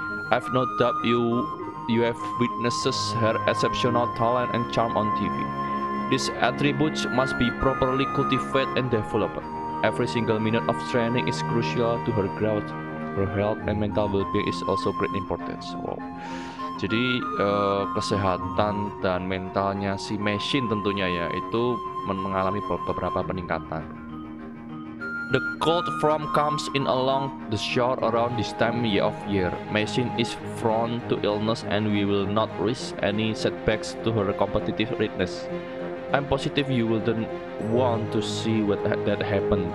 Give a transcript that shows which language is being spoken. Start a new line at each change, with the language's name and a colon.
English: I've no doubt you have witnessed her exceptional talent and charm on TV. These attributes must be properly cultivated and developed. Every single minute of training is crucial to her growth. Her health and mental well-being is also great importance. Wow.
Indonesian: Jadi, kesehatan dan mentalnya si machine tentunya ya, itu mengalami beberapa peningkatan.
English: The cold front comes in along the shore around this time of year. Machine is prone to illness and we will not risk any setbacks to her competitive readiness. I'm positive you wouldn't want to see what that happened.